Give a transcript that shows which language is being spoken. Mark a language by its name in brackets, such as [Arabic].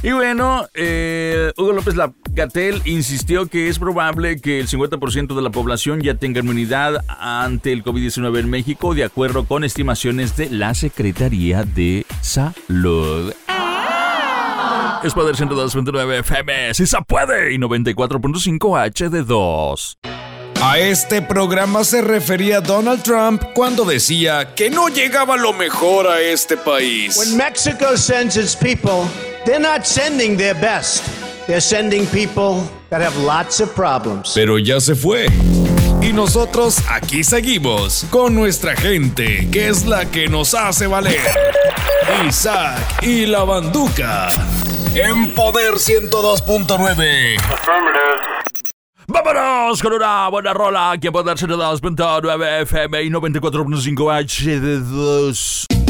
[Spanish] Y bueno, Hugo López-Gatell insistió que es probable que el 50% de la población ya tenga inmunidad ante el COVID-19 en México, de acuerdo con estimaciones de la Secretaría de Salud. Es Poder 102.9 FM, si se puede, y 94.5 HD2. A este programa se refería Donald Trump cuando decía que no llegaba lo mejor a este país. [English] When Mexico sends its people, they're not sending their best. They're sending people that have lots of problems. [Spanish] Pero ya se fue. Y nosotros aquí seguimos con nuestra gente, que es la que nos hace valer. Isaac y la Banduca. En Poder 102.9. Vámonos con una buena rola aquí en Poder 102.9 FM y 94.5 HD2.